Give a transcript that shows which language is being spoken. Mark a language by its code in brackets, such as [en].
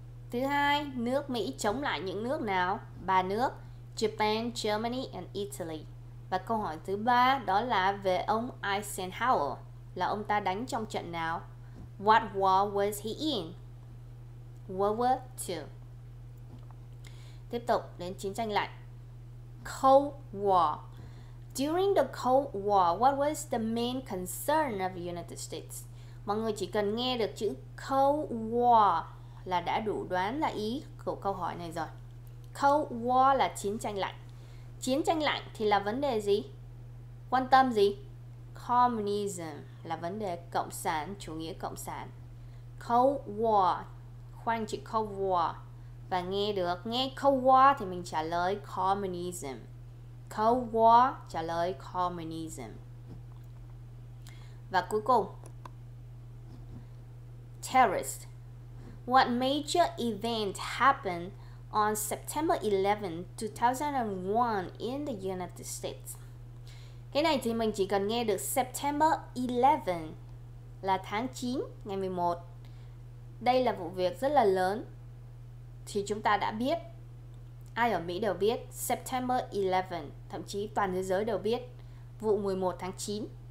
[vi] Thứ hai, nước Mỹ chống lại những nước nào? Ba nước: Japan, Germany and Italy. Và câu hỏi thứ ba đó là về ông Eisenhower, là ông ta đánh trong trận nào? [en] What war was he in? World War II. [vi] Tiếp tục đến chiến tranh lạnh. [en] Cold War. During the Cold War, what was the main concern of the United States? [vi] Mọi người chỉ cần nghe được chữ Cold War là đã đủ đoán là ý của câu hỏi này rồi. Cold War là chiến tranh lạnh. Chiến tranh lạnh thì là vấn đề gì? Quan tâm gì? Communism là vấn đề cộng sản, chủ nghĩa cộng sản. Cold War, khoanh chữ Cold War và nghe được. Nghe Cold War thì mình trả lời Communism. Cold War trả lời Communism. Và cuối cùng, Terrorist. [en] What major event happened on September 11, 2001 in the United States? [vi] Cái này thì mình chỉ cần nghe được September 11 là tháng 9, ngày 11. Đây là vụ việc rất là lớn. Thì chúng ta đã biết, ai ở Mỹ đều biết September 11, thậm chí toàn thế giới đều biết vụ 11 tháng 9.